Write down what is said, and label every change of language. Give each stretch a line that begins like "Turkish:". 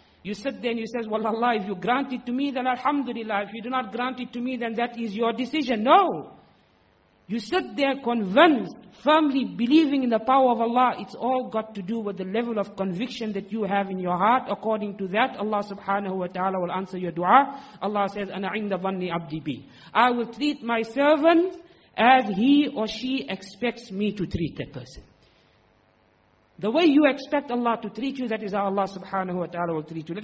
English: You sit there and you say, well, Allah, if you grant it to me, then alhamdulillah. If you do not grant it to me, then that is your decision. No. You sit there convinced, firmly believing in the power of Allah. It's all got to do with the level of conviction that you have in your heart. According to that, Allah subhanahu wa ta'ala will answer your dua. Allah says,
Arabic: أَنَا عِنْدَ ظَنِّ عَبْدِي بِي.
English: I will treat my servant as he or she expects me to treat that person. The way you expect Allah to treat you, that is how Allah subhanahu wa ta'ala will treat you.